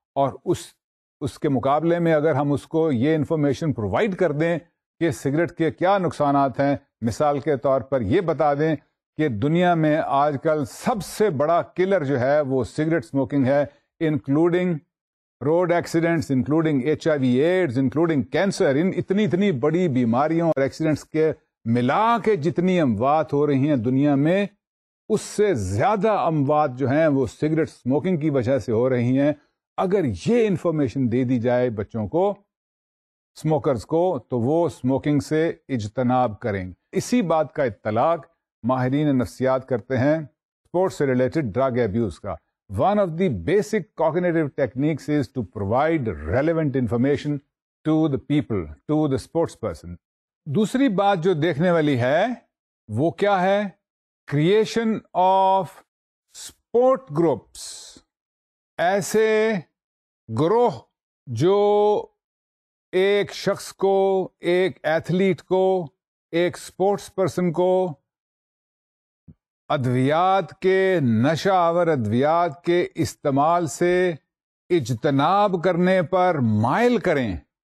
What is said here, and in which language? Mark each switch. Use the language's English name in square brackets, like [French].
[Urdu] اور اس کے مقابلے میں اگر ہم اس کو یہ انفارمیشن پرووائڈ کر دیں کہ سگریٹ کے کیا نقصانات ہیں، مثال کے طور پر یہ بتا دیں کہ دنیا میں آج کل سب سے بڑا کلر جو ہے وہ سگریٹ سموکنگ ہے، [English] including road accidents, including H I V AIDS, including cancer, [Urdu] ان اتنی اتنی بڑی بیماریوں اور ایکسیڈنٹس کے ملا کے جتنی اموات ہو رہی ہیں دنیا میں، اس سے زیادہ اموات جو ہیں وہ سگریٹ سموکنگ کی وجہ سے ہو رہی ہیں. اگر یہ انفارمیشن دے دی جائے بچوں کو، سموکرز کو، تو وہ سموکنگ سے اجتناب کریں. اسی بات کا اطلاق ماہرین نفسیات کرتے ہیں سپورٹس سے ریلیٹڈ ڈرگ ابیوز کا. [English] One of the basic cognitive techniques is to provide relevant information to the people, to the sports person. [Urdu] دوسری بات جو دیکھنے والی ہے وہ کیا ہے؟ [English] creation of support groups, [Urdu] ایسے گروہ جو ایک شخص کو، ایک ایتھلیٹ کو، ایک سپورٹس پرسن کو ادویات کے، نشہ آور ادویات کے استعمال سے اجتناب کرنے پر مائل کریں.